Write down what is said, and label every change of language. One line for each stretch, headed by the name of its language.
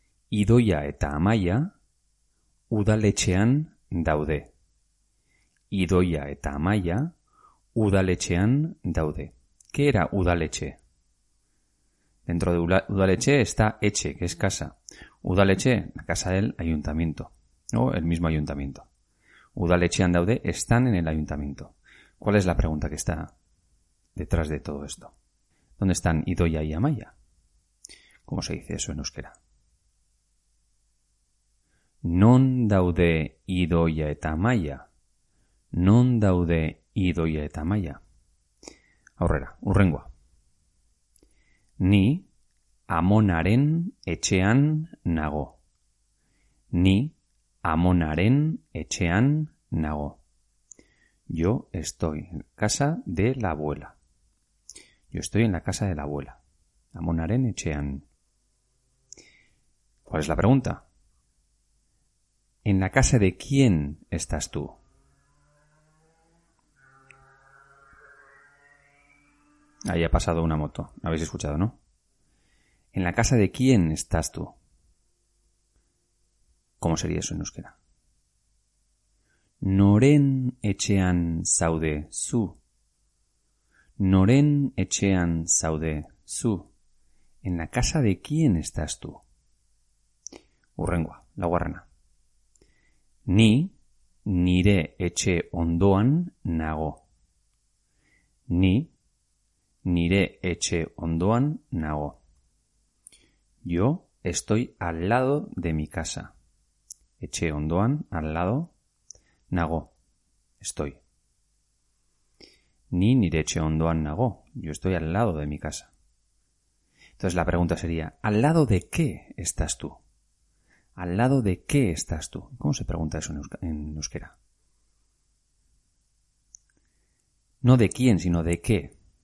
Basque: Idoia eta Amaia udaletxean daude. Idoia eta Amaia udaletxean daude.
Spanish: ¿Qué era udaletxe? Dentro de udaletxe está etxe, que es casa. Udaletxe, la casa del ayuntamiento, ¿no? El mismo ayuntamiento.
Basque: Udaletxean daude,
Spanish: están en el ayuntamiento. ¿Cuál es la pregunta que está detrás de todo esto? ¿Dónde están Idoia y Amaia? ¿Cómo se dice eso en euskera?
Basque: Non daude Idoia eta Amaia. Non daude Idoia eta Amaia. Aurrera, urrengoa. Ni amonaren etxean nago. Ni amonaren etxean nago.
Spanish: Yo estoy en casa de la abuela. Yo estoy en la casa de la abuela.
Basque: Amonaren etxean.
Spanish: ¿Cuál es la pregunta? ¿En la casa de quién estás tú? Ahí ha pasado una moto. ¿Habéis escuchado, no? ¿En la casa de quién estás tú? ¿Cómo sería eso en euskera?
Basque: Noren etxean zaude zu. Noren etxean zaude zu.
Spanish: ¿En la casa de quién estás tú?
Basque: Urrengoa, la guarrana. Ni nire etxe ondoan nago. Ni nire etxe ondoan nago.
Spanish: Yo estoy al lado de mi casa.
Basque: Etxe ondoan,
Spanish: al lado,
Basque: nago.
Spanish: Estoy.
Basque: Ni nire etxe ondoan nago.
Spanish: Yo estoy al lado de mi casa. Entonces la pregunta sería, ¿al lado de qué estás tú? ¿Al lado de qué estás tú? ¿Cómo se pregunta eso en euskera? No de quién, sino de qué.